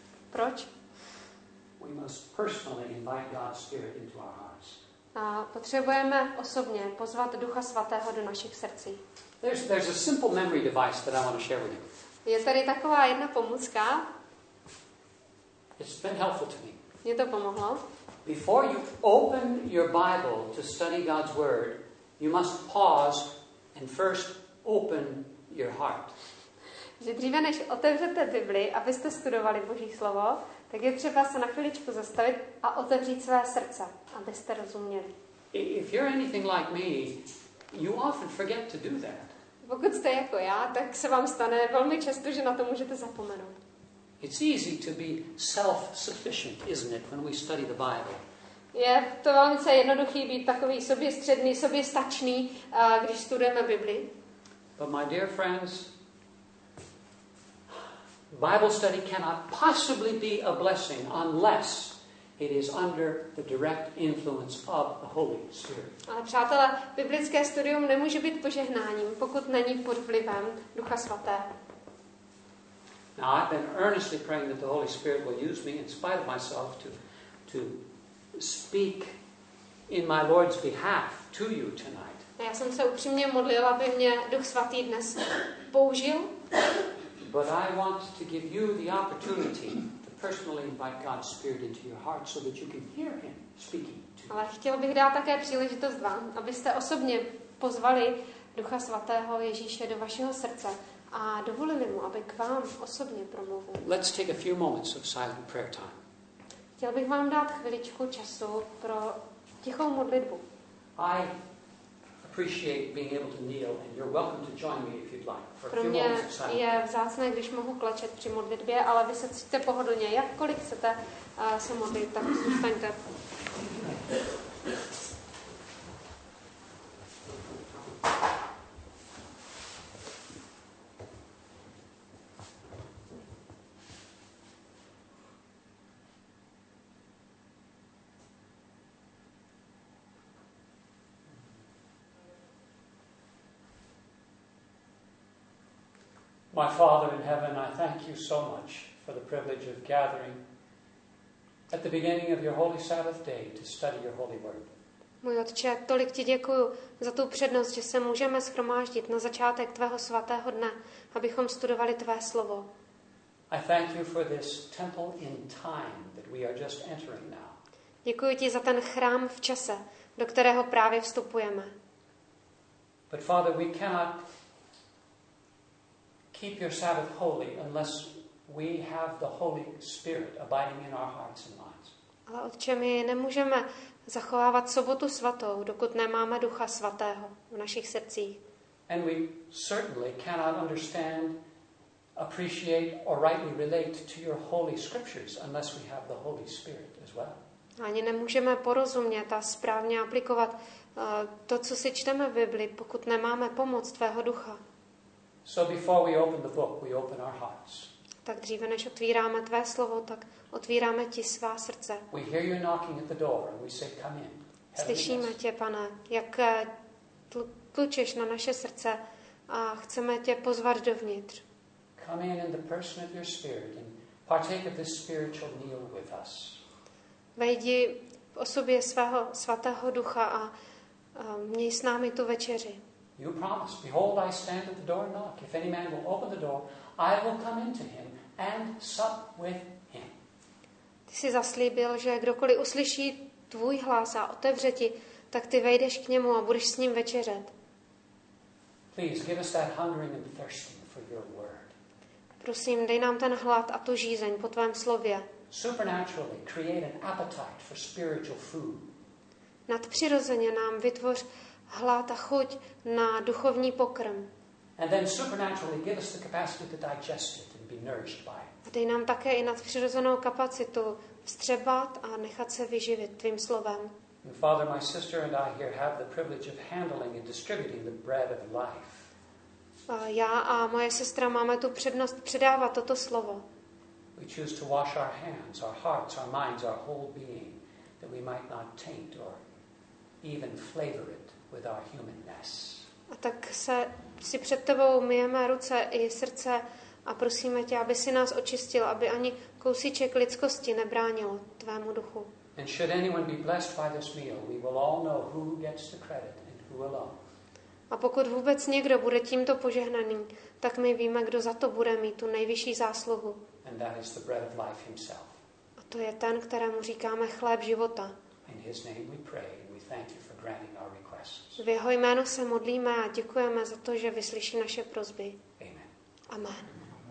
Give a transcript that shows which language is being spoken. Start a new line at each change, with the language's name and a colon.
Czech: Proč?
English: We must personally invite God's Spirit into our hearts.
Czech: A potřebujeme osobně pozvat Ducha Svatého do našich srdcí.
English: There's a simple memory device that I want to share with you.
Czech: Je tady taková jedna pomůcka.
English: It's been helpful to me.
Czech: Mě to pomohlo.
English: Before you open your Bible to study God's word, you must pause and first open your heart.
Czech: Že dříve než otevřete Bibli, abyste studovali Boží slovo, tak je třeba se na chviličku zastavit a otevřít své srdce, abyste rozuměli.
English: If you're anything like me, you often forget to do that.
Czech: Pokud jste jako já, tak se vám stane velmi často, že na to můžete zapomenout.
English: It's easy to be self-sufficient, isn't it, when we study the Bible?
Czech: Je to velmi jednoduchý být takový soběstředný, soběstačný, když studujeme Bibli.
English: But my dear friends, Bible study cannot possibly be a blessing unless it is under the direct influence of the Holy Spirit.
Czech: Ale přátelé, biblické studium nemůže být požehnáním, pokud není pod vlivem Ducha Svatého.
English: Now I've been earnestly praying that the Holy Spirit will use me in spite of myself to speak in my Lord's behalf to you tonight.
Czech: Já jsem se upřímně modlil, aby mě Duch Svatý dnes použil.
English: But I want to give you the opportunity to personally invite God's Spirit into your heart so that you can hear him speaking to you.
Czech: Ale chtěl bych dát také příležitost vám, abyste osobně pozvali Ducha Svatého Ježíše do vašeho srdce a dovolili mu, aby k vám osobně promluvil.
English: Let's take a few moments of silent prayer time.
Czech: Chtěl bych vám dát chviličku času pro tichou modlitbu.
English: I appreciate being able to kneel and you're welcome to join me if you'd like.
Czech: Pro mě je vzácné, když mohu klečet při modlitbě, ale vy se cítíte pohodlně, jakkoliv chcete se modlit, tak zůstaňte.
English: My Father in heaven, I thank you so much for the privilege of gathering at the beginning of your holy Sabbath day to study your holy word.
Czech: Můj Otče, tolik ti děkuju za tu přednost, že se můžeme shromáždit na začátek tvého svatého dne, abychom studovali tvé slovo.
English: I thank you for this temple in time that we are just entering now.
Czech: Děkuji ti za ten chrám v čase, do kterého právě vstupujeme.
English: But Father, we cannot keep your Sabbath holy unless we have the Holy Spirit abiding in our hearts and minds.
Czech: Ale Otče, my nemůžeme zachovávat sobotu svatou, dokud nemáme Ducha svatého v našich srdcích.
English: And we certainly cannot understand, appreciate or rightly relate to your holy scriptures unless we have the Holy Spirit as well.
Czech: Ani nemůžeme porozumět a správně aplikovat to, co si čteme v Bibli, pokud nemáme pomoc tvého Ducha.
English: So before we open the book, we open our hearts.
Czech: Tak dříve, než otvíráme tvé slovo, tak otvíráme ti svá srdce.
English: We hear you knocking at the door and we say, come in.
Czech: Slyšíme tě, Pane, jak tlučeš na naše srdce a chceme tě pozvat dovnitř.
English: Come in the person of your spirit and partake of this spiritual meal with us.
Czech: Vejdi v osobě svého svatého Ducha a měj s námi tu večeři.
English: You promise, behold, I stand at the door and knock. If any man will open the door, I will come into him and sup with him.
Czech: Ty jsi zaslíbil, že kdokoliv uslyší tvůj hlas a otevře ti, tak ty vejdeš k němu a budeš s ním večeřet.
English: Please give us that hungering and thirsting for your word.
Czech: Prosím, dej nám ten hlad a tu žízeň po tvém slově.
English: Supernaturally create an appetite for spiritual food.
Czech: Nadpřirozeně nám vytvoř hlad a chuť na duchovní pokrm.
English: And then supernaturally give us the capacity to digest it and be nourished by it.
Czech: Dej nám také i nadpřirozenou kapacitu vstřebat a nechat se vyživit tvým slovem.
English: And Father, my sister and I here have the privilege of handling and distributing the bread of life.
Czech: Já a moje sestra máme tu přednost předávat toto slovo.
English: We choose to wash our hands, our hearts, our minds, our whole being, that we might not taint or even flavor it with our humanness.
Czech: A tak se si před tebou myjeme ruce i srdce a prosíme tě, aby si nás očistil, aby ani kousíček lidskosti nebránil tvému duchu.
English: And should anyone be blessed by this meal, we will all know who gets the credit and who alone.
Czech: A pokud vůbec někdo bude tímto požehnaný, tak my víme, kdo za to bude mít tu nejvyšší zásluhu.
English: And that is the bread of life himself.
Czech: A to je ten, kterému říkáme chléb života.
English: In his name we pray and we thank you for granting our requests.
Czech: V jeho jméno se modlíme a děkujeme za to, že vyslyší naše prosby.
English: Amen.
Czech: Amen.